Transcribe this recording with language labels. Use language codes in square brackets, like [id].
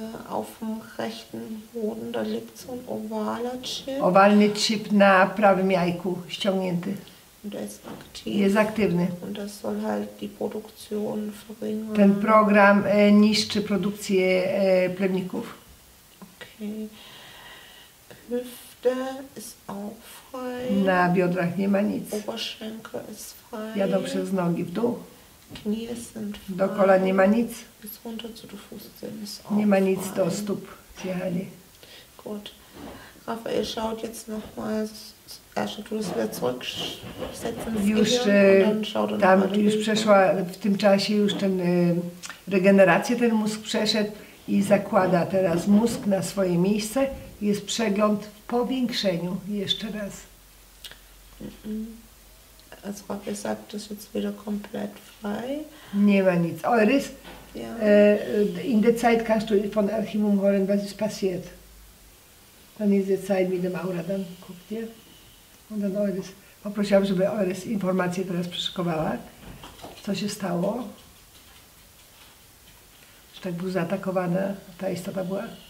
[de] Auf dem rechten Boden, da liegt so ein ovaler Chip. [pl] Owalny Chip na prawym jajku, ściągnięty. [de] Und der ist aktiv. [pl] Jest aktywny. [de] Und das soll halt die Produktion verringern. [pl] Ten program niszczy produkcję plemników. [de] Okay. Hüfte. Der ist auch frei. [pl] Na biodrach nie ma nic. [de] Oberschenkel ist frei. [pl] Jadą przez nogi w dół. [de] Knie sind frei. [pl] Do kolan nie ma nic. [de] Bis runter zu den Füßen ist auch [pl] nie ma nic frei. Do stóp zjechali. [de] Gut. Raphael schaut jetzt nochmal. Also du musst wieder zurücksetzen. [pl] Już tam, już przeszła w tym czasie, już ten regenerację ten mózg przeszedł i zakłada teraz mózg na swoje miejsce. Jest przegląd w powiększeniu. Jeszcze raz. [de] Also Raphael sagt, das ist wieder komplett frei. [pl] Nie ma nic. Eures? [de] In der Zeit kannst du von Archimum hören, was ist passiert. Dann ist die Zeit mit dem Aura, dann guck dir. Und dann Eures. [pl] Poprosiłam, żeby Eures informacje teraz przeszukowała. Co się stało? Że tak był zaatakowana ta istota była?